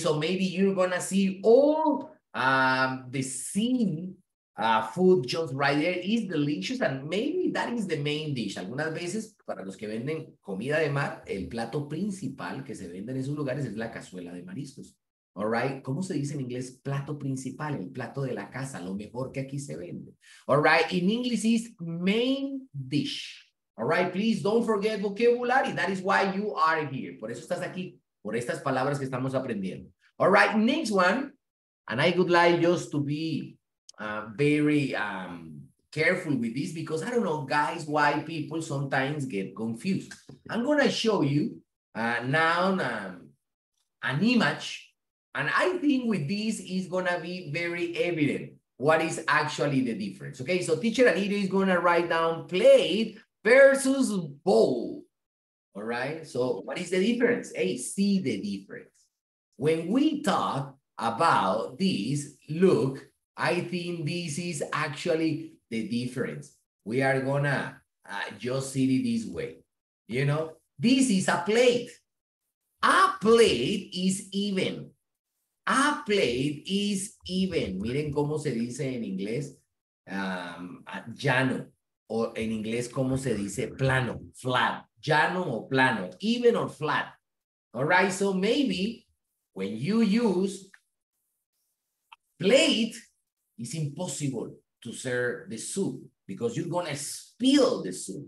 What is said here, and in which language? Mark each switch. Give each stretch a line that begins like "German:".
English: So maybe you're gonna see all the scene food just right there is delicious, and maybe that is the main dish.
Spanish: Algunas veces, para los que venden comida de mar, el plato principal que se vende en esos lugares es la cazuela de mariscos. All right, ¿cómo se dice en inglés plato principal? El plato de la casa, lo mejor que aquí se vende.
English: All right, in English is main dish. All right, please don't forget vocabulary. That is why you are here.
Spanish: Por eso estás aquí, por estas palabras que estamos aprendiendo.
English: All right, next one. And I would like just to be very careful with this because I don't know, guys, why people sometimes get confused. I'm going to show you now an image. And I think with this is going to be very evident what is actually the difference. Okay, so teacher Alirio is going to write down plate versus bowl. All right, so what is the difference? Hey, see the difference. When we talk about this, look, I think this is actually the difference. We are gonna just see it this way. You know, this is a plate. A plate is even. A plate is even.
Spanish: Miren cómo se dice en inglés, llano, o en inglés cómo se dice plano, flat, llano o plano, even or flat.
English: All right, so maybe when you use plate, is impossible to serve the soup because you're going to spill the soup.